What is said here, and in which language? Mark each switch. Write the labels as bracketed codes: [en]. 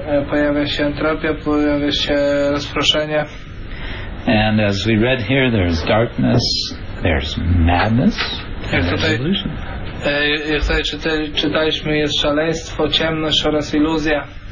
[pl] pojawia się entropia, pojawia się rozproszenie. [en] And as we read here, there's darkness, there's madness. [pl] Jak tutaj czytaliśmy, jest szaleństwo, ciemność oraz iluzja.